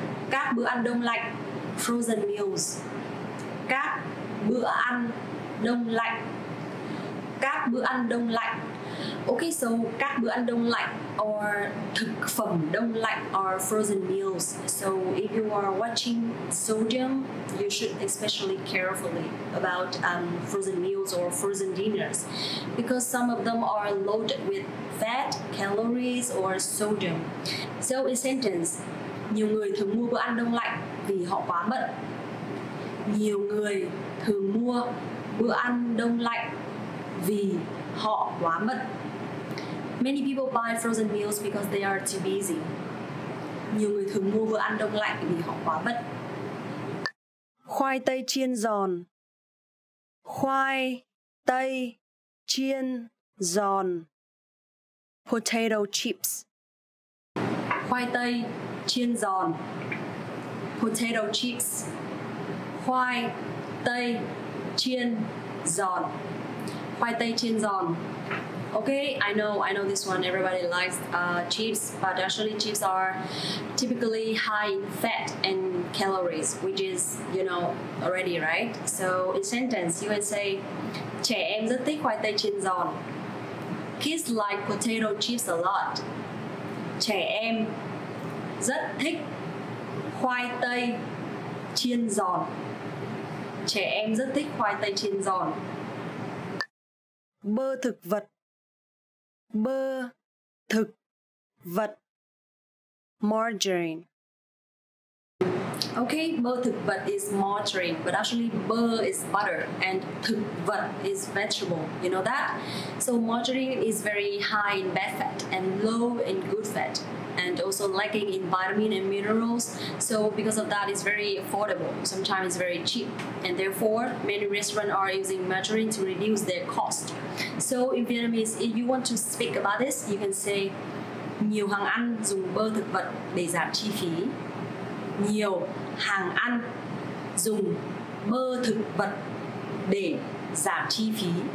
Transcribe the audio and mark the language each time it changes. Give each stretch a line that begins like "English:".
Vietnamese: Các bữa ăn đông lạnh.
English: Frozen meals.
Vietnamese: Các bữa ăn đông lạnh. Các bữa ăn đông lạnh.
English: Okay, so
Vietnamese: các bữa ăn đông lạnh or thực phẩm đông lạnh
English: are frozen meals. So if you are watching sodium, you should especially carefully about frozen meals or frozen dinners, because some of them are loaded with fat, calories or sodium. So in sentence,
Vietnamese: nhiều người thường mua bữa ăn đông lạnh vì họ quá mận. Nhiều người thường mua bữa ăn đông lạnh vì họ quá mận.
English: Many people buy frozen meals because they are too busy.
Vietnamese: Nhiều người thường mua bữa ăn đông lạnh vì họ quá mận. Khoai tây chiên giòn. Khoai tây chiên giòn.
English: Potato chips.
Vietnamese: Khoai tây chiên giòn.
English: Potato chips.
Vietnamese: Khoai tây chiên giòn. Khoai tây chiên giòn.
English: Okay, I know this one. Everybody likes chips, but actually chips are typically high in fat and calories, which is, you know, already, right? So in sentence, you can say,
Vietnamese: trẻ em rất thích khoai tây chiên giòn.
English: Kids like potato chips a lot.
Vietnamese: Trẻ em rất thích khoai tây chiên giòn. Trẻ em rất thích khoai tây chiên giòn. Bơ thực vật. Bơ thực vật. Margarine.
English: Okay, bơ thực vật is margarine, but actually bơ is butter and thực vật is vegetable. You know that? So margarine is very high in bad fat and low in good fat, and also lacking in vitamin and minerals. So because of that, it's very affordable. Sometimes it's very cheap. And therefore, many restaurants are using margarine to reduce their cost. So in Vietnamese, if you want to speak about this, you can say,
Vietnamese: nhiều hàng ăn dùng bơ thực vật để giảm chi phí. Nhiều hàng ăn dùng bơ thực vật để giảm chi phí.